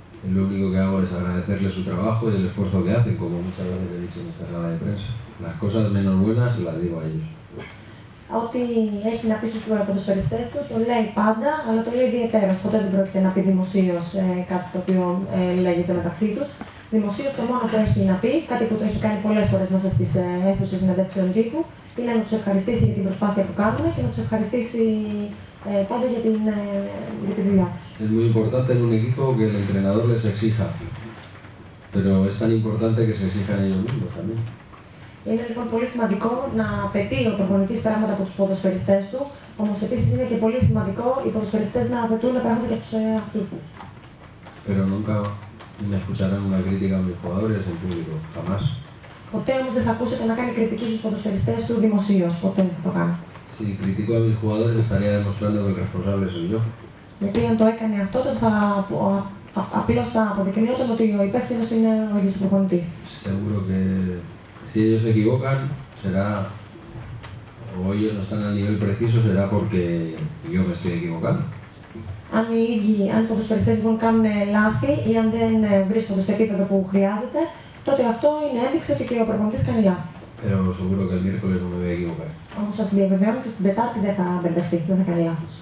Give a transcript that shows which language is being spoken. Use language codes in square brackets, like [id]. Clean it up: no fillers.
[es] Lo único que hago es agradecerles su trabajo y el esfuerzo que hacen, como muchas veces he dicho en esta sala de prensa. Las cosas menos buenas las digo a ellos. [el] Ό,τι έχει να πει στους ποδοσφαιριστές του, το λέει πάντα, αλλά το λέει ιδιαίτερος. Ποτέ δεν πρόκειται να πει δημοσίως κάτι το οποίο λέγεται μεταξύ τους. Δημοσίως το μόνο που έχει να πει, κάτι που το έχει κάνει πολλές φορές μέσα στις αίθουσες συνεδέψεων τύπου, είναι να τους ευχαριστήσει για την προσπάθεια που κάνουν και να τους ευχαριστήσει πάντα για τη δουλειά τους. Είναι πολύ [es] importante en un equipo que el entrenador les exija. Pero es tan importante que se exijan ellos mismos también. [el] Είναι λοιπόν πολύ σημαντικό να απαιτεί ο προπονητής πράγματα από τους ποδοσφαιριστές του, όμως επίσης είναι και πολύ σημαντικό οι ποδοσφαιριστές να απαιτούν πράγματα για τους αυτούς τους. [es] Pero nunca me escucharán una crítica a mis jugadores en público, jamás. [el] Ποτέ όμως δεν θα ακούσετε να κάνει κριτική στους ποδοσφαιριστές του δημοσίως, ποτέ δεν θα το κάνει. [es] Si critico a mis jugadores estaría demostrando que el responsable soy yo. [el] Γιατί αν το έκανε αυτό, το θα απλώς θα αποδεικνύονταν ότι ο υπεύθυνος είναι ο ίδιος ο προπονητής. [es] Seguro que si ellos se equivocan, será, o ellos no están al nivel preciso, será porque yo me estoy equivocando. [el] Αν οι ίδιοι, αν οι ποδοσφαιριστές λοιπόν κάνουν λάθη ή αν δεν βρίσκονται στο επίπεδο που χρειάζεται, τότε αυτό είναι ένδειξη ότι και ο προπονητής κάνει λάθη. [es] Pero seguro que el miércoles no me voy a equivocar. [el] Όμως σας διαβεβαιώνω ότι την Τετάρτη δεν θα μπερδευτεί, δεν θα κάνει λάθος.